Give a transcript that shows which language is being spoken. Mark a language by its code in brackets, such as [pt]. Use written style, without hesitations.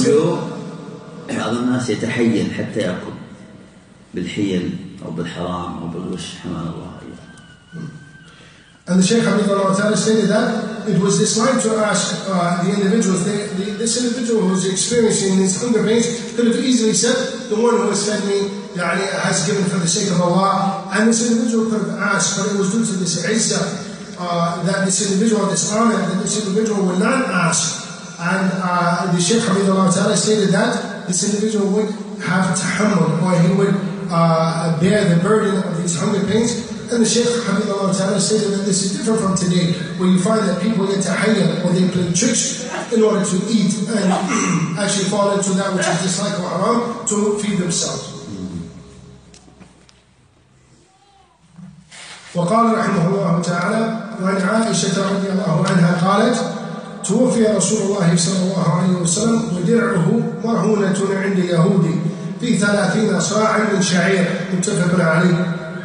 [ar] يقول بعض الناس يتحيل حتى يأكل بالحيل أو بالحرام أو بالغش حمال الله. [en] And the Shaykh [ar] رحمه الله تعالى [en] stated that it was disliked to ask the individuals. This individual who was experiencing these hunger pains could have easily said, the one who has fed me has given for the sake of Allah. And this individual could have asked, but it was due to this izzah that this individual, this honor, that this individual would not ask. And the Shaykh [ar] رحمه الله تعالى [en] stated that this individual would have to humble, or he would bear the burden of these hunger pains And the Shaykh Hafidhullah Ta'ala said that this is different from today, where you find that people get tahayya or they play tricks in order to eat and actually fall into that which is dislike or haram to feed themselves. [ar] وقال رحمه الله تعالى وعن عائشة رضي الله عنها قالت توفي رسول الله صلى الله عليه وسلم ودرعه مرهونة عند يهودي في 30 صاعا من شعير متفق عليه.